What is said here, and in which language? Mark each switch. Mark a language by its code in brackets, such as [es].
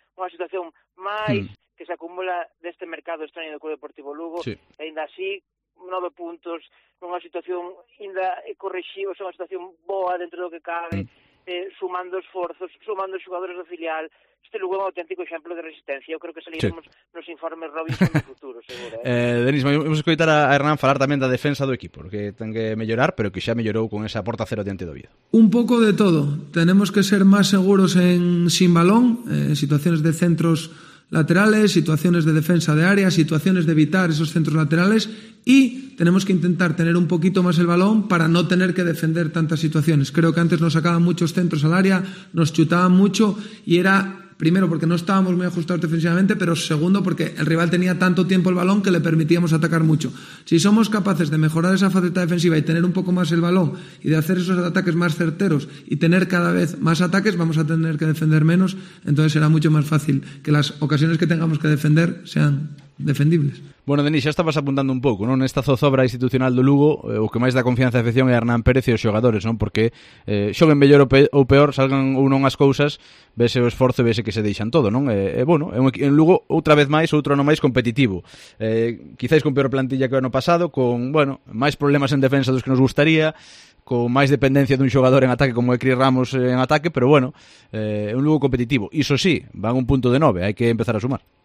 [gl] Unha situación máis que se acumula deste mercado extraño do Club Deportivo Lugo, ainda así 9 puntos, unha situación ainda corrixiva, unha situación boa dentro do que cabe. Sumando esforzos, sumando xogadores do filial, este Lugo é un auténtico exemplo de resistencia. Eu creo que saliremos nos informes Robinson no futuro, seguro. Denis, vamos escoitar a Hernán falar tamén da defensa do equipo, que ten que mellorar, pero que xa mellorou con esa porta cero diante do Oviedo. [es] Un pouco de todo, tenemos que ser máis seguros sin balón, situaciones de centros laterales, situaciones de defensa de área, situaciones de evitar esos centros laterales, y tenemos que intentar tener un poquito más el balón para no tener que defender tantas situaciones. Creo que antes nos sacaban muchos centros al área, nos chutaban mucho, y era primero porque no estábamos muy ajustados defensivamente, pero segundo porque el rival tenía tanto tiempo el balón que le permitíamos atacar mucho. Si somos capaces de mejorar esa faceta defensiva y tener un poco más el balón y de hacer esos ataques más certeros y tener cada vez más ataques, vamos a tener que defender menos, entonces será mucho más fácil que las ocasiones que tengamos que defender sean defendibles. [gl] Bueno, Denis, xa estabas apuntando un pouco, non? Nesta zozobra institucional do Lugo, o que máis dá confianza e afección é Hernán Pérez e os xogadores, non? Porque xoguen mellor ou peor, salgan ou non as cousas, vese o esforzo e vese que se deixan todo, non? Bueno, en Lugo, outra vez máis, outro ano máis competitivo. Quizáis con peor plantilla que o ano pasado, con, bueno, máis problemas en defensa dos que nos gustaría, con máis dependencia dun xogador en ataque como é Cris Ramos en ataque, pero bueno, un Lugo competitivo. Iso sí, van un punto de 9, hai que empezar a sumar.